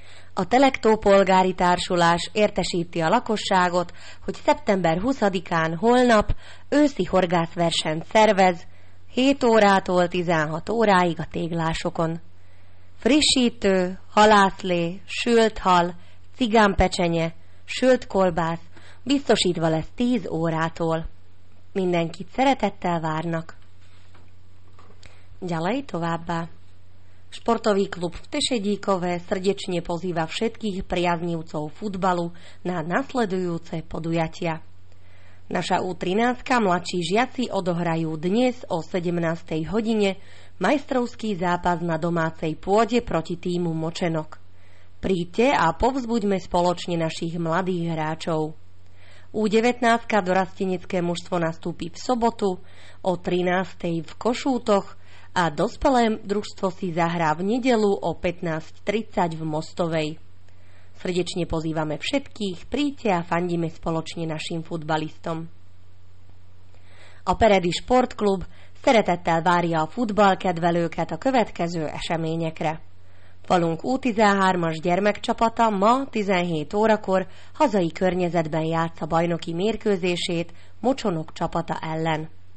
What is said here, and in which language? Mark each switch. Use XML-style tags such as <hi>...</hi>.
<hu>A Telektó polgári társulás értesíti a lakosságot, hogy szeptember 20-án holnap őszi horgászversenyt szervez 7 órától 16 óráig a téglásokon. Frissítő, halászlé, sült hal, cigánpecsenye, sült kolbász biztosítva lesz 10 órától. Mindenkit szeretettel várnak. Gyalej továbbá.</hu> <sk>Športový klub v Tešedíkove srdečne pozýva všetkých priaznivcov futbalu na nasledujúce podujatia. Naša U13 mladší žiaci odohrajú dnes o 17. hodine majstrovský zápas na domácej pôde proti týmu Močenok. Príďte a povzbuďme spoločne našich mladých hráčov. U19 dorastenecké mužstvo nastúpi v sobotu o 13. v Košútoch a dospelé družstvo si zahrá v nedeľu o 15.30 v Mostovej. Srdečne pozývame všetkých, príďte a fandíme spoločne našim futbalistom.</sk> <hu>Operedy Sportklub szeretettel várja a futballkedvelőket a következő eseményekre. Falunk U13-as gyermekcsapata ma 17 órakor hazai környezetben játsza bajnoki mérkőzését Močenok csapata ellen.</hu>